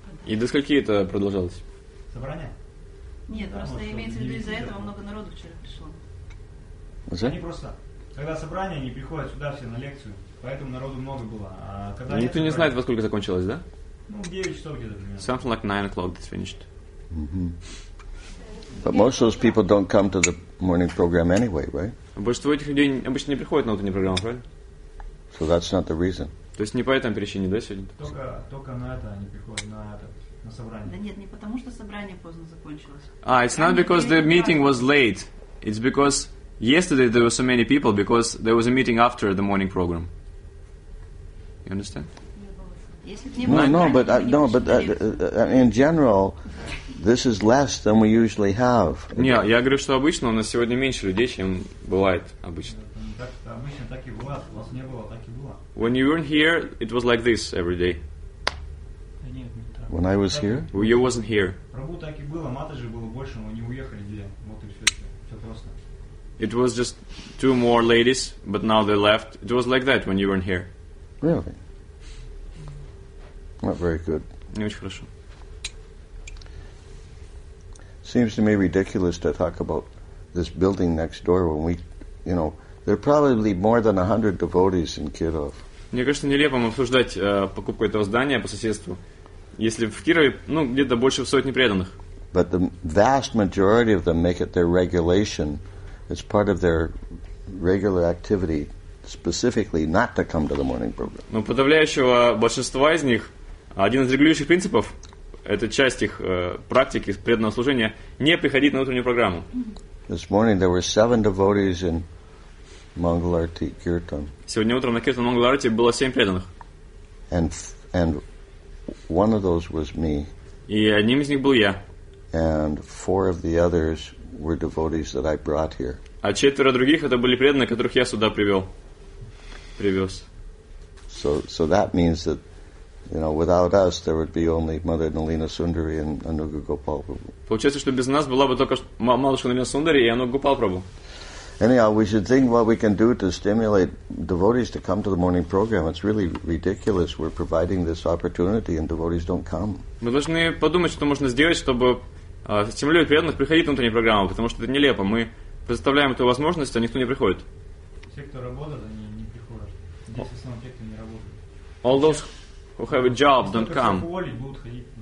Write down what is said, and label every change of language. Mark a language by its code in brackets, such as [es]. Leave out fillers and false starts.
[ru] И до скольки это продолжалось? Собрание? Нет, просто имеется в виду из-за этого много народу вчера пришло. Уже? Они просто, когда собрание, они приходят сюда все на лекцию, поэтому народу много было. А когда? Никто не знает, во сколько закончилось, да? [en] Something like 9 o'clock. It's finished. Mm-hmm. But most of those people don't come to the morning program anyway, right? [ru] Большинство этих людей обычно не приходят на утреннюю программу, правильно? [en] So that's not the reason. [ru] То есть не по этому причине, да, сегодня? Только на это они приходят, на собрание. Да нет, не потому что собрание поздно закончилось. [en] Ah, it's not because the meeting was late. It's because yesterday there were so many people because there was a meeting after the morning program. You understand? No, but in general, this is less than we usually have. [ru] Не, я говорю, что обычно у нас сегодня меньше людей, чем бывает обычно. Обычно так и было, у вас не было, так и было. [en] When you weren't here, it was like this every day. When I was here? Well, you wasn't here. [ru] Пробу так и было, мата же было больше, но они уехали где, вот и все просто. [en] It was just two more ladies, but now they left. It was like that when you weren't here. Really? Not very good. [ru] Не очень хорошо. [en] Seems to me ridiculous to talk about this building next door when we, you know, there are probably more than 100 devotees in Kirov. [ru] Мне кажется, нелепо обсуждать покупку этого здания по соседству, если в Кирове, ну, где-то больше сотни преданных. [en] But the vast majority of them make it their regulation. It's part of their regular activity specifically not to come to the morning program. [ru] Но подавляющего большинства из них один из регулирующих принципов, это часть их практики преданного служения, не приходить на утреннюю программу. [en] This morning there were 7 devotees in Mangalarti Kirtan. [ru] Сегодня утром на Киртан Мангаларти было 7 преданных. [en] And one of those was me. [ru] И одним из них был я. [en] And 4 of the others were devotees that I brought here. [ru] А четверо других это были преданные, которых я сюда привел, привез. [en] So that means that, you know, without us, there would be only Mother Nalina Sundari and Anuga Gopal Prabhu. [ru] Получается, что без нас была бы только Матушка Налина Сундари и Ануга Гопал Прабху. [en] Anyhow, we should think what we can do to stimulate devotees to come to the morning program. It's really ridiculous. We're providing this opportunity, and devotees don't come. [ru] Мы должны подумать, что можно сделать, чтобы стимулировать преданных приходить на утреннюю программу, потому что это нелепо. Мы предоставляем эту возможность, а никто не приходит. Все, кто работает, они не приходят. Здесь в основном те, кто не работает. [en] All those who have a job, don't come.